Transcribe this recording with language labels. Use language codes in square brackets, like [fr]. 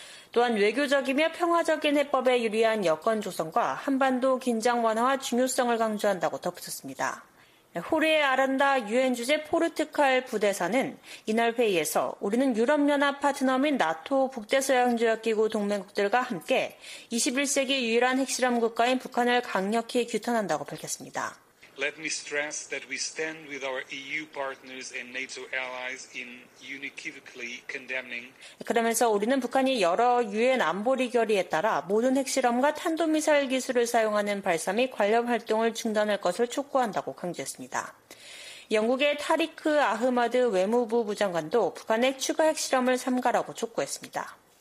[ko] 또한 외교적이며 평화적인 해법에 유리한 여건 조성과 한반도 긴장 완화와 중요성을 강조한다고 덧붙였습니다. 호르헤 아란다 유엔 주재 포르투갈 부대사는 이날 회의에서 우리는 유럽연합 파트너인 나토 북대서양조약기구 동맹국들과 함께 21세기 유일한 핵실험 국가인 북한을 강력히 규탄한다고 밝혔습니다. [en] Let me stress that we stand with our EU partners and NATO allies in unequivocally condemning. [ko] 그러면서 우리는 북한이 여러 유엔 안보리 결의에 따라 모든 핵실험과 탄도미사일 기술을 사용하는 발사 및 관련 활동을 중단할 것을 촉구한다고 강조했습니다. 영국의 타리크 아흐마드 외무부 부장관도 북한의 추가 핵실험을 삼가라고 촉구했습니다.